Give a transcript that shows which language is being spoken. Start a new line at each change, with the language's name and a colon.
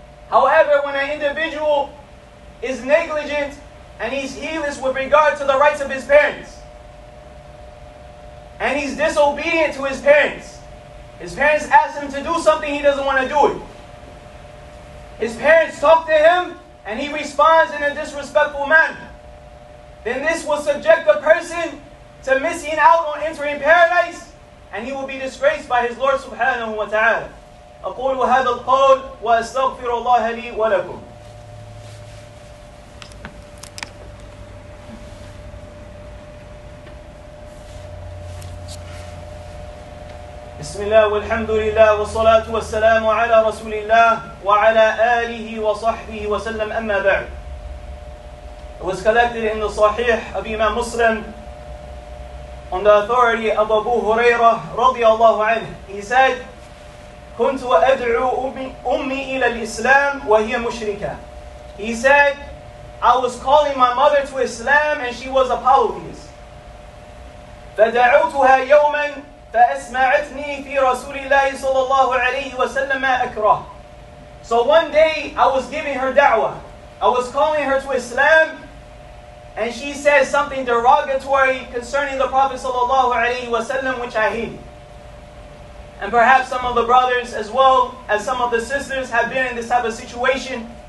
English: However, when an individual is negligent and he's heedless with regard to the rights of his parents, and he's disobedient to his parents ask him to do something, he doesn't want to do it. His parents talk to him and he responds in a disrespectful manner, then this will subject the person to missing out on entering paradise, and he will be disgraced by his Lord subhanahu wa ta'ala.
Arabic: أقول هذا القول وأستغفر الله لي ولكم. بسم الله والحمد لله والصلاة والسلام على رسول الله وعلى آله وصحبه وسلم. أما بعد,
English: it was collected in the Sahih of Imam Muslim on the authority of Abu Huraira
Arabic: رضي الله عنه.
English: He said,
Arabic: كنت أدعو أمي إلى الإسلام وهي مشركة.
English: He said, I was calling my mother to Islam and she was a polytheist.
Arabic: فدعوتها يوما فأسمعتني في رسول الله صلى الله عليه وسلم أكره.
English: So one day I was giving her da'wah, I was calling her to Islam, and she said something derogatory concerning the Prophet
Arabic: صلى الله عليه وسلم,
English: which I hate. And perhaps some of the brothers as well as some of the sisters have been in this type of situation.